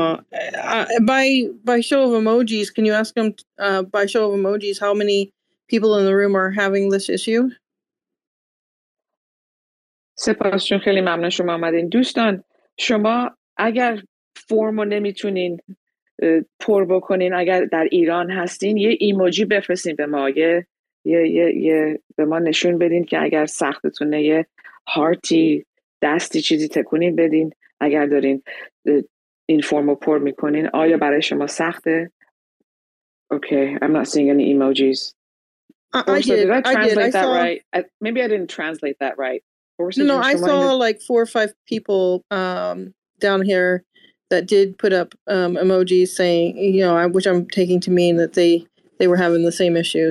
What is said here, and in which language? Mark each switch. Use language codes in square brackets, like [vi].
[en] By show of emojis, can you ask him by show of emojis how many people in the room are having this issue? [fa] سپاسشون خیلی ممنون شما آمدین. دوستان شما اگر فرمو نمیتونین پر بکنین اگر در ایران هستین یه ایموجی بفرستین به ما یه به ما نشون بدین که اگر سختتونه یه هارتی دستی چیزی تکونین بدین اگر دارین این فرمو پر میکنین آیا برای شما سخته؟ [en] Okay, I'm not seeing any emojis. Maybe I didn't translate that right. No, I saw like 4 or 5 people down here that did put up emojis saying, which I'm taking to mean that they were having the same issue.